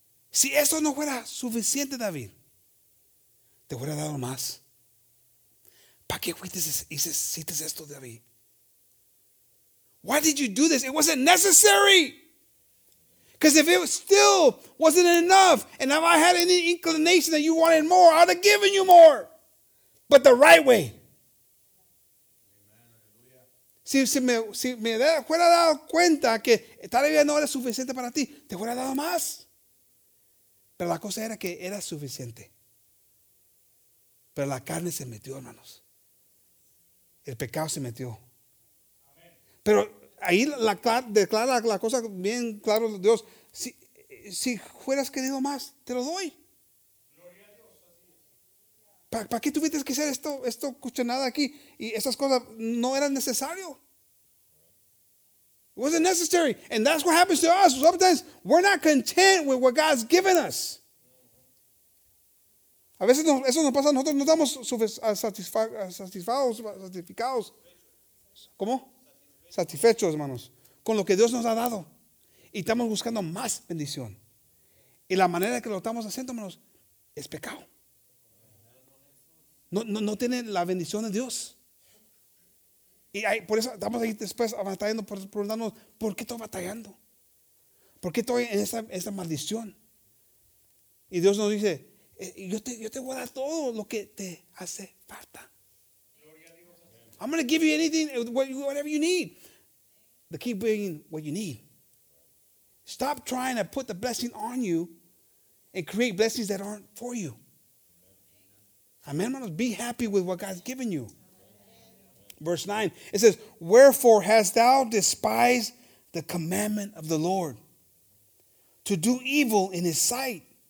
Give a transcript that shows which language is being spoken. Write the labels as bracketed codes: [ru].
[es] Si eso no fuera suficiente, David, te hubiera dado más. ¿Para qué fuiste y hiciste esto, David? [en] Why did you do this? It wasn't necessary. Because if it still wasn't enough, and if I had any inclination that you wanted more, I'd have given you more. But the right way. [es] Si me hubiera dado cuenta que todavía no era suficiente para ti, te hubiera dado más. Pero la cosa era que era suficiente. Pero la carne se metió, hermanos. El pecado se metió. Pero ahí declara la cosa bien claro Dios. Si fueras querido más, te lo doy. ¿Para qué tuviste que hacer esto cuchonada aquí? Y esas cosas no eran necesarias. [en] It wasn't necessary. And that's what happens to us. Sometimes we're not content with what God's given us. [es] A veces eso nos pasa a nosotros. No estamos satisfechos. ¿Cómo? Satisfechos, hermanos. Con lo que Dios nos ha dado. Y estamos buscando más bendición. Y la manera que lo estamos haciendo, hermanos, es pecado. No tiene la bendición de Dios. Y ahí, por eso estamos ahí después batallando, preguntándonos, ¿por qué estoy batallando? ¿Por qué estoy en esa maldición? Y Dios nos dice, yo te voy a dar todo lo que te hace falta. [en] I'm going to give you anything, whatever you need. The key being what you need. Stop trying to put the blessing on you and create blessings that aren't for you. Amen, hermanos. Be happy with what God's given you. Verse 9, it says, wherefore hast thou despised the commandment of the Lord to do evil in his sight?